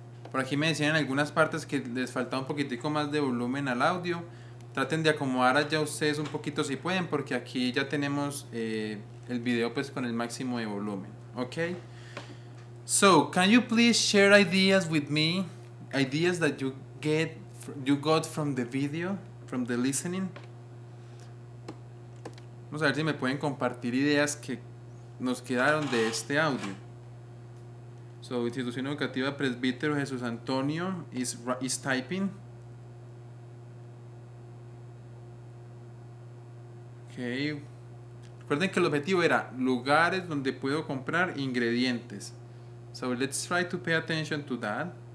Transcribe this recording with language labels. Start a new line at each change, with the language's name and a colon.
Spanish: Por aquí me decían en algunas partes que les faltaba un poquitico más de volumen al audio. Traten de acomodar allá ustedes un poquito si pueden, porque aquí ya tenemos el video pues con el máximo de volumen.
English: Okay. So, can you please share ideas with me? Ideas that you got from the video, from the listening.
Spanish: Vamos a ver si me pueden compartir ideas que nos quedaron de este audio.
English: So, Institución Educativa Presbítero Jesús Antonio is typing.
Spanish: Okay. Recuerden que el objetivo era lugares donde puedo comprar ingredientes.
English: So, let's try to pay attention to that.